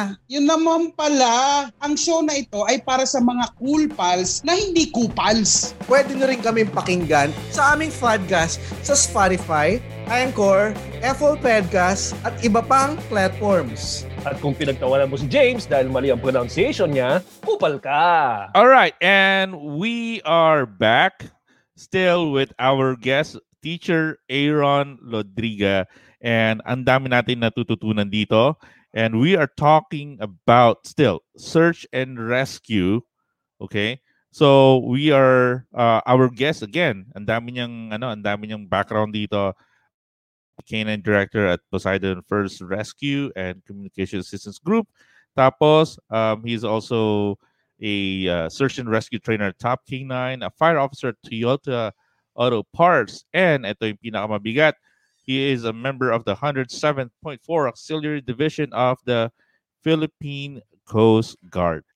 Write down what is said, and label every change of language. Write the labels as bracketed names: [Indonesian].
[Filipino] Yun naman pala, ang show na ito ay para sa mga cool pals na hindi cool pals. Pwede nyo rin kaming pakinggan sa aming podcast sa Spotify, Anchor, Apple Podcast at iba pang platforms. At kung pinagtawanan mo si James dahil mali ang pronunciation niya, kupal ka. [English] Alright, and we are back still with our guest, Teacher Aeron Lodriga. [Filipino] And ang dami natin natututunan dito. [English] And we are talking about still search and rescue. Okay? So we are our guest again. [Filipino] Ang dami niyang, ano, ang dami niyang background dito. [English] Canine Director at Poseidon First Rescue and Communication Assistance Group. Tapos, he's also a search and rescue trainer at Top Canine, a fire officer at Toyota Auto Parts, and [Filipino] ito yung pinakamabigat, [English] he is a member of the 107.4 Auxilary Division of the Philippine Coast Guard.